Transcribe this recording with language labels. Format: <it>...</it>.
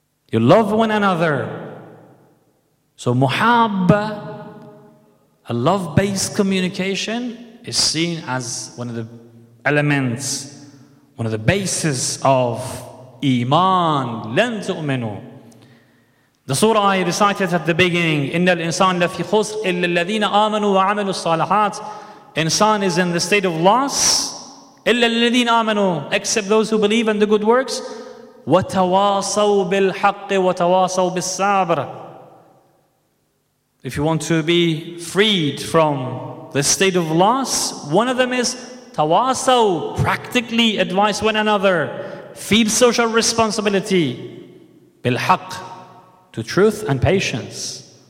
<en>You love one another. So muhabba, a love-based communication, is seen as one of the elements, one of the bases of iman.</en> <ar>لن تؤمنوا.</ar> <en>The surah I recited at the beginning,</en> <ar>إِنَّ الْإِنسَانَ لَفِي خُسْرٍ إِلَّا الَّذِينَ آمَنُوا وَعَمِلُوا الصَّالِحَاتِ.</ar> <en>Insan is in the state of loss.</en> <ar>إِلَّا الَّذِينَ آمَنُوا,</ar> <en>except those who believe in the good works.</en> <ar>وَتَوَاصَوْا بِالْحَقِّ وَتَوَاصَوْا بِالصَّابِرِ.</ar> <en>If you want to be freed from the state of loss, one of them is tawasaw, practically advise one another, feed social responsibility, bilhaq, to truth and patience.</en>